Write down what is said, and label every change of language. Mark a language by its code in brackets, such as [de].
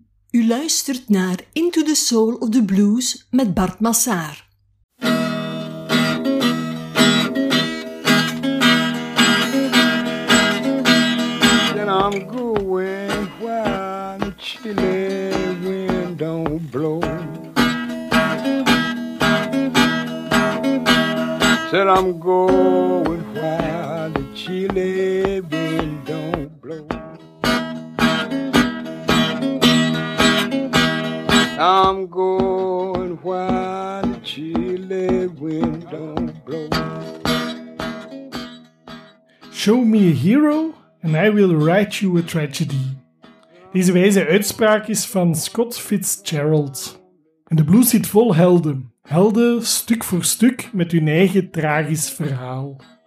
[nl] U luistert naar Into the Soul of the Blues met Bart Massaar. [en] Then I'm going while the chilly wind don't blow. Said I'm going while the chilly wind don't blow. I'm going while the chilly wind don't blow. Show me a hero and I will write you a tragedy. [nl] Deze wijze uitspraak is van Scott Fitzgerald. En de blues zit vol helden. Helden, stuk voor stuk, met hun eigen tragisch verhaal.